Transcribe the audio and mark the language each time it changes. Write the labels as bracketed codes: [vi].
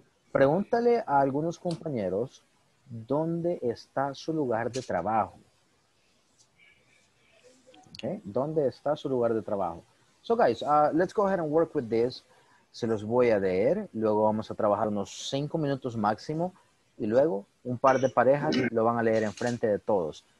[es] Pregúntale a algunos compañeros dónde está su lugar de trabajo. Okay. ¿Dónde está su lugar de trabajo? [en] So guys, let's go ahead and work with this. [es] Se los voy a leer. Luego vamos a trabajar unos 5 minutos máximo. Y luego un par de parejas lo van a leer en frente de todos.